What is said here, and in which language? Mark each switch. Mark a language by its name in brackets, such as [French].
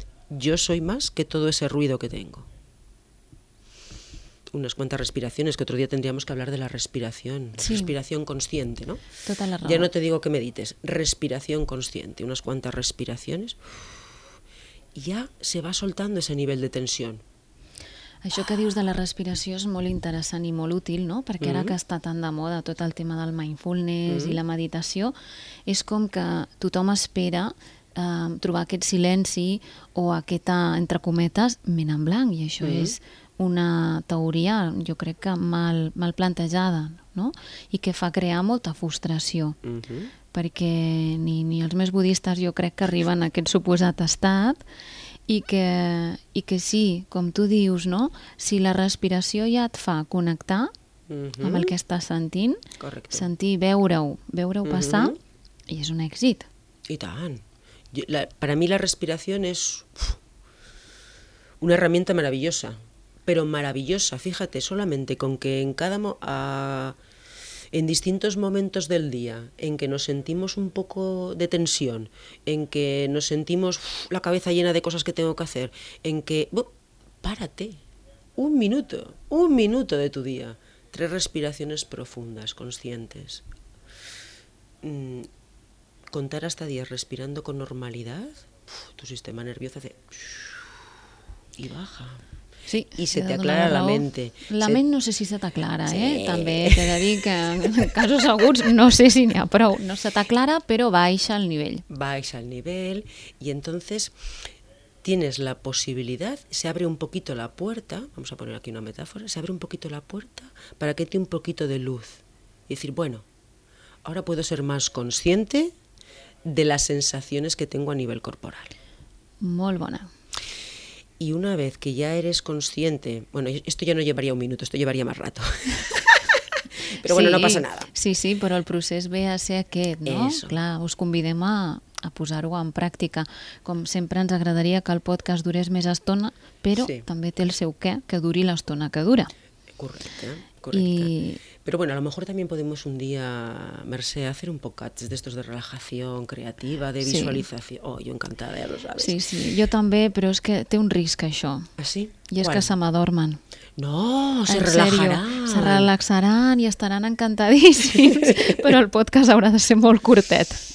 [Spanish] Yo soy más que todo ese ruido que tengo. Unas cuantas respiraciones, que otro día tendríamos que hablar de la respiración. Sí. Respiración consciente, ¿no? Total la razón. Ya no te digo que medites. Respiración consciente. Unas cuantas respiraciones. Ya se va soltando ese nivel de tensión. [Catalan] Això que dius de la respiració és molt interessant i molt útil, no? Perquè ara que està tan de moda tot el tema del mindfulness i la meditació, és com que tothom espera trobar aquest silenci o aquesta, entre cometes, ment en blanc. I això és... una teoria, jo crec que mal plantejada, no? I que fa crear molta frustració. Perquè ni els més budistes, jo crec, que arriben a aquest suposat estat i que sí, com tu dius, no? Si la respiració ja et fa connectar amb el que estàs sentint, correcte. Sentir, veure-ho passar, i és un èxit. I tant. Per a mi la respiració és [Spanish] una herramienta maravillosa. Pero maravillosa, fíjate, solamente con que en cada en distintos momentos del día, en que nos sentimos un poco de tensión, en que nos sentimos la cabeza llena de cosas que tengo que hacer, en que... párate, un minuto de tu día. Tres respiraciones profundas, conscientes. Contar hasta 10 respirando con normalidad, tu sistema nervioso hace y baja. Sí, y se te aclara la mente. La mente no sé si se t'aclara, sí. [Catalan] També t'he de dir que en casos aguts no sé si n'hi ha prou. No se t'aclara, però baixa el nivell. Baixa el nivell [Spanish] y entonces tienes la posibilidad, se abre un poquito la puerta, vamos a poner aquí una metáfora, se abre un poquito la puerta para que te un poquito de luz. Y decir, bueno, ahora puedo ser más consciente de las sensaciones que tengo a nivel corporal. [Catalan] Molt bona. [Spanish] Y una vez que ya eres consciente, bueno, esto ya no llevaría un minuto, esto llevaría más rato. Pero bueno, sí, no pasa nada. [Catalan] Sí, sí, però el procés ve a ser aquest, no? [Spanish] Eso. [Catalan] Clar, us convidem a posar-ho en pràctica. Com sempre, ens agradaria que el podcast durés més estona, però sí, també té el seu què, que duri l'estona que dura. Correcte, correcte. [Spanish] Pero bueno, a lo mejor también podemos un día, Mercè, hacer un podcast de estos de relajación creativa, de visualización. Sí. Oh, yo encantada, ya lo sabes. Sí, sí, yo también, pero es que [Catalan] té un risc això. [Spanish] ¿Ah, sí? [Catalan] I és que se m'adormen. [Spanish] No, se relajaran. [Catalan] Se relaxaran i estaran encantadíssims, però el podcast haurà de ser molt curtet.